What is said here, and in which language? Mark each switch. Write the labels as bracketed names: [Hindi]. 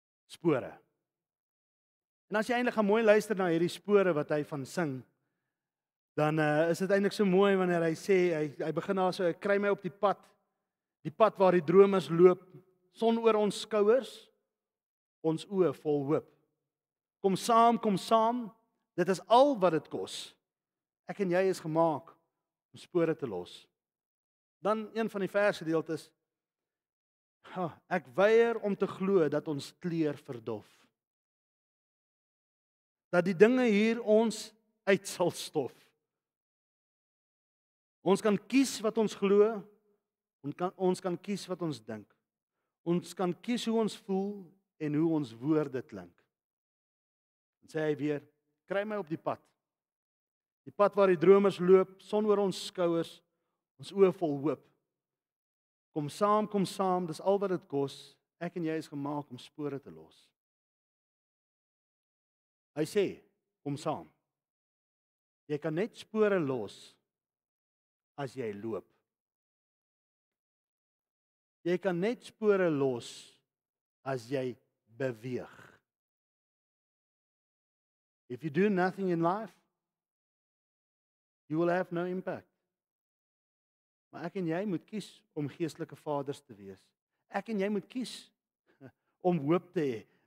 [Afrikaans] Spore. En as jy eintlik gaan mooi luister na hierdie spore wat hy van sing, dan is dit eintlik so mooi wanneer hy sê, hy begin daar so, hy kry my op die pad waar die dromers loop, son oor ons skouers, ons oë vol hoop. Kom saam, dit is al wat dit kos. Ek en jy is gemaak om spore te los. Dan een van die verse deeltes, ek weier om te glo dat ons kleer verdof. Dat die dinge hier ons uit sal stof. Ons kan kies wat ons glo, ons kan kies wat ons dink. Ons kan kies hoe ons voel en hoe ons woorde klink. En sê hy weer, kry my op die pad. Die pad waar die dromers loop, son oor ons skouers, ons oë vol hoop. Kom saam, dis al wat dit kos. Ek en jy is gemaak om spore te los. Hy sê, kom saam. Jy kan net spore los as jy loop. Jy kan net spore los as jy beweeg. [English] If you do nothing in life, you will have no impact. [Afrikaans] Maar ek en jy moet kies om geestelike vaders te wees. Ek en jy moet kies om hoop te hê.